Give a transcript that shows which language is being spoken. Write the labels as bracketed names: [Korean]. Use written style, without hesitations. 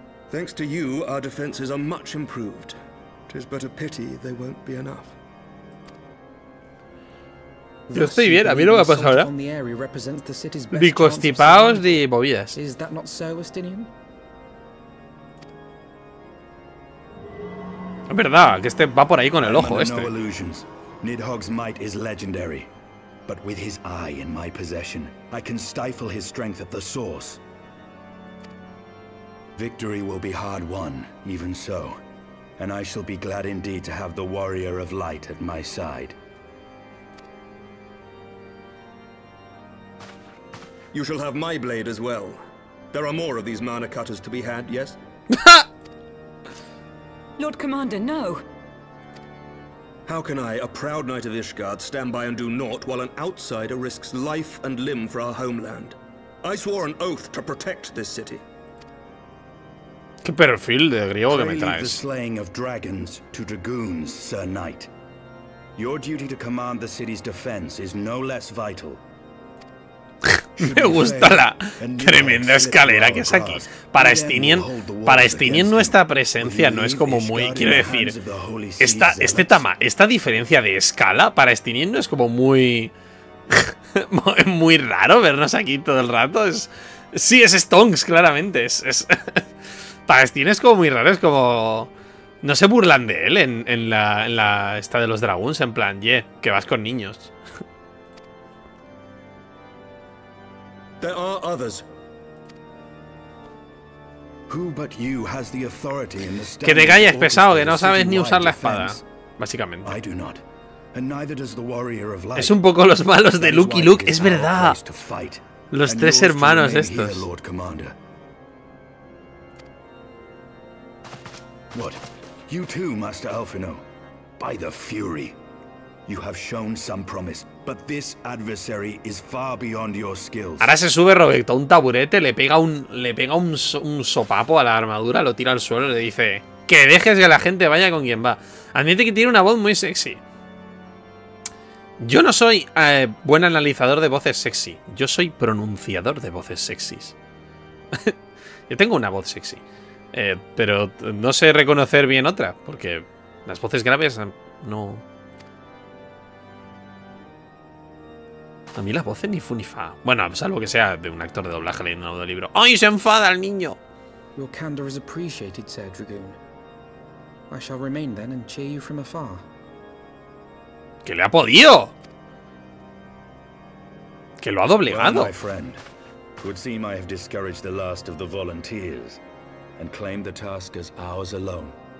[English] Thanks to you, our defenses are much improved. Tis but a pity they won't be enough. [Spanish] Yo estoy bien, a mí no me ha pasado ahora. Ni constipados ni movidas. [English] Is that not so, Estinian? [Spanish] Es verdad, que este va por ahí con el ojo este. [English] Nidhogg's might is legendary, but with his eye in my possession, I can stifle his strength at the source. Victory will be hard won, even so, and I shall be glad indeed to have the Warrior of Light at my side. You shall have my blade as well. There are more of these mana cutters to be had, yes? Lord Commander, no. How can I, a proud knight of Ishgard, stand by and do naught while an outsider risks life and limb for our homeland? I swore an oath to protect this city. [Spanish] ¿Qué perfil de griego que me traes? [English] Pray leave the slaying of dragons to dragoons, Sir Knight. Your duty to command the city's defense is no less vital. [Spanish] Me gusta la tremenda escalera que es aquí. Para Estinien, nuestra presencia no es como muy... Quiero decir, esta diferencia de escala para Estinien no es como muy... muy raro vernos aquí todo el rato. Sí, es Stonks, claramente. Para Estinien es como muy raro, es como... No se burlan de él en la esta de los dragones, en plan, yeah, que vas con niños. [English] There are others. Who but you has the authority in the stone? [Spanish] Que te calles, pesado, que no sabes ni usar la espada, básicamente. [English] I do not, and neither does the warrior of light. [Spanish] Es un poco los malos de Lucky Luke, es verdad. Los tres hermanos estos. [English] What? You too, Master Alfino. By the Fury, you have shown some promise. But this adversary is far beyond your skills. [Spanish] Ahora se sube Roberto a un taburete, le pega un sopapo a la armadura, lo tira al suelo y le dice: que dejes que la gente vaya con quien va. Admite que tiene una voz muy sexy. Yo no soy buen analizador de voces sexy. Yo soy pronunciador de voces sexys. Yo tengo una voz sexy. Pero no sé reconocer bien otra, porque las voces graves no... A mí las voces ni fu ni fa. Bueno, salvo que sea de un actor de doblaje leyendo un libro. ¡Ay, se enfada el niño! [English] Your candor is appreciated, Sir Dragoon. I shall remain then and cheer you from afar. [Spanish] ¡Que le ha podido! ¡Que lo ha doblegado! [English] Well, my friend, would seem I have discouraged the last of the volunteers and claim the task as ours alone.